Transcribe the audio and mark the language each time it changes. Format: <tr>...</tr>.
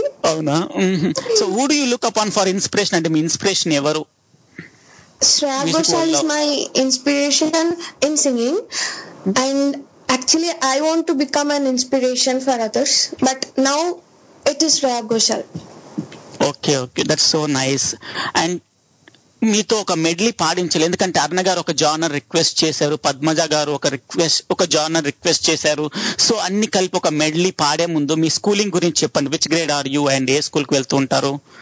<en>అవునా, so who do you look up on for inspiration?</en> <te>అంటే మీ inspiration ఎవరు?</te> <en>Shreya Ghoshal is my inspiration in singing and actually I want to become an inspiration for others, but now it is Shreya Ghoshal. Okay, okay, that's so nice.</en> <te>And మీతో ఒక medley పాడించాలి, ఎందుకంటే అర్ణ గారు ఒక genre request చేశారు, పద్మజ గారు ఒక request ఒక genre request చేశారు. సో అన్ని కలిపి ఒక మెడలీ పాడే ముందు మీ స్కూలింగ్ గురించి చెప్పండి.</te> <en>which grade are you and</en> <te>ఏ school కు వెళ్తూ ఉంటారు?</te>